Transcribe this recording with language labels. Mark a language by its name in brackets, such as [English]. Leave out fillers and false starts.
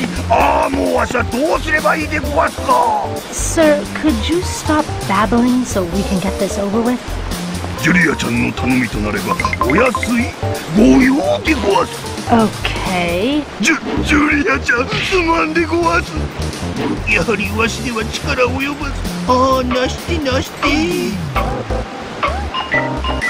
[Japanese] もうそうか。森林再生プログラムをいただくには、ジュリアちゃんを倒さねばならん。いや、むしろここでわしが負けて、ジュリアちゃんが優勝すれば、それもまたよし。いやいや、ジュリアちゃんが優勝できるとは限らんし。ああ、もうわしはどうすればいいでごわすか。 [English] Sir, could you stop babbling so we can get this over with? [Japanese] ジュリアちゃんの頼みとなれば、お安い御用でごわす。オッケー。ジュリアちゃん、すまんでごわす。やはりわしでは力及ばず。ああ、なしてなして。